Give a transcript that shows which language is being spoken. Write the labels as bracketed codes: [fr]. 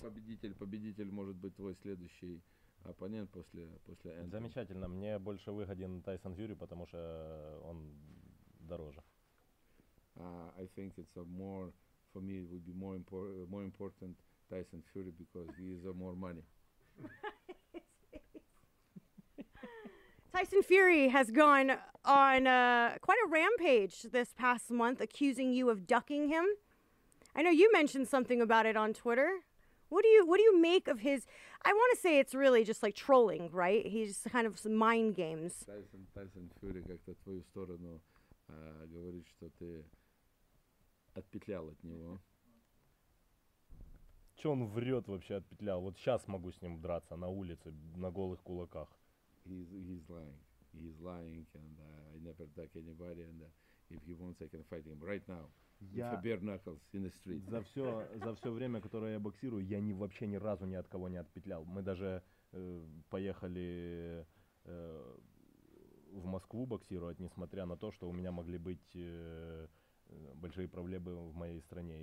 [ru] Победитель может быть твой следующий оппонент после Энтони. Замечательно. Мне больше выгоден Тайсон Фьюри, потому что он дороже. [en] I think it's a more for me. It would be more important Tyson Fury because he is a more money. Tyson Fury has gone on quite a rampage this past month, accusing you of ducking him. I know you mentioned something about it on Twitter. What do you make of his? I want to say it's really just like trolling, right? He's kind of some mind games. [ru] Tyson Fury, как-то твою сторону говорит, что ты отпетлял от него. Че он врет вообще, отпетлял? Вот сейчас могу с ним драться на улице, на голых кулаках. [en] He's lying. He's lying, and I never duck anybody. And if he wants, I can fight him right now. [ru] Я [en] with bare knuckles in the street. [ru] За все время, которое я боксирую, я вообще ни разу ни от кого не отпетлял. Мы даже поехали в Москву боксировать, несмотря на то, что у меня могли быть большие проблемы в моей стране.